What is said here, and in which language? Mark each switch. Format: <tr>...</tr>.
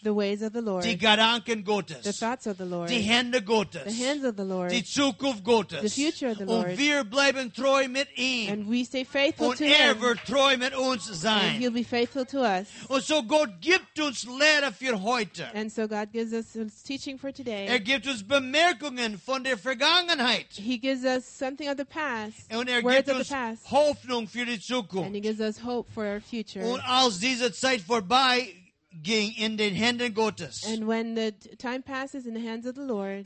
<en>The ways of the Lord.</en> <de>Die Gedanken Gottes.</de> <en>The thoughts of the Lord.</en> <de>Die Hände Gottes.</de> <en>The hands of the Lord.</en> <de>Die Zukunft Gottes.</de> <en>The future of the Lord.</en> <de>Und wir bleiben treu mit ihm.</de> <en>And we stay faithful</en> <de>Und</de> <en>to</en> <de>er</de> <en>him.</en> <de>Und er wird treu mit uns sein.</de> <en>And he'll be faithful to us.</en> <de>Und so Gott gibt uns Lehre für heute.</de> <en>And so God gives us his teaching for today.</en> <de>Er gibt uns Bemerkungen von der Vergangenheit.</de> <en>He gives us something of the past.</en> <de>Und er gibt uns Hoffnung für die Zukunft.</de> <en>And he gives us hope for our future.</en> <de>Und als diese Zeit vorbei ging in den Händen Gottes.</de> <en>And when the time passes in the hands of the Lord.</en>